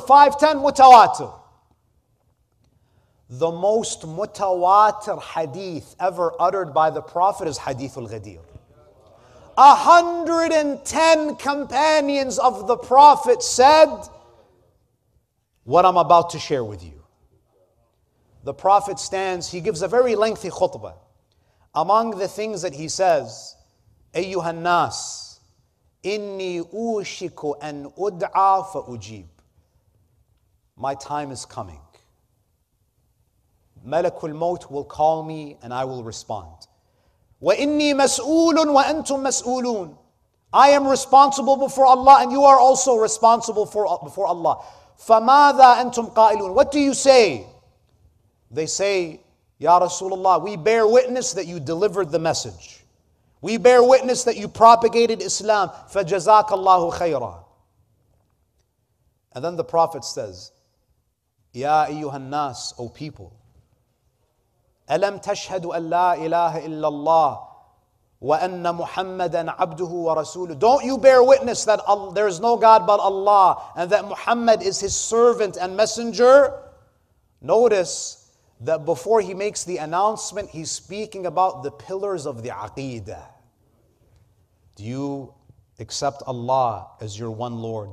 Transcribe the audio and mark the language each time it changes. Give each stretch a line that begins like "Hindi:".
English: 5, 10, mutawatir. The most mutawatir hadith ever uttered by the Prophet is Hadith al-Ghadir. 110 companions of the Prophet said, what I'm about to share with you. The Prophet stands, he gives a very lengthy khutbah. Among the things that he says,
Arabic: أَيُّهَا النَّاسِ إِنِّي أُوشِكُ أَنْ أُدْعَى فَأُجِيبُ.
English: My time is coming. Malakul Maut will call me and I will respond.
Arabic: وَإِنِّي مَسْؤُولٌ وَأَنْتُمْ مَسْؤُولُونَ.
English: I am responsible before Allah and you are also responsible before Allah.
Arabic: فَمَاذَا أَنْتُمْ قَائِلُونَ.
English: What do you say? They say, Ya Rasulullah, we bear witness that you delivered the message. We bear witness that you propagated Islam.
Arabic: فَجَزَاكَ اللَّهُ خَيْرًا.
English: And then the Prophet says,
Arabic: يَا أَيُّهَا النَّاسِ,
English: O people,
Arabic: أَلَمْ تَشْهَدُ أَنْ لَا إِلَهَ إِلَّا اللَّهِ وَأَنَّ مُحَمَّدًا عَبْدُهُ وَرَسُولُهُ.
English: Don't you bear witness that there is no God but Allah and that Muhammad is his servant and messenger? Notice that before he makes the announcement, he's speaking about the pillars of the aqeedah. Do you accept Allah as your one Lord?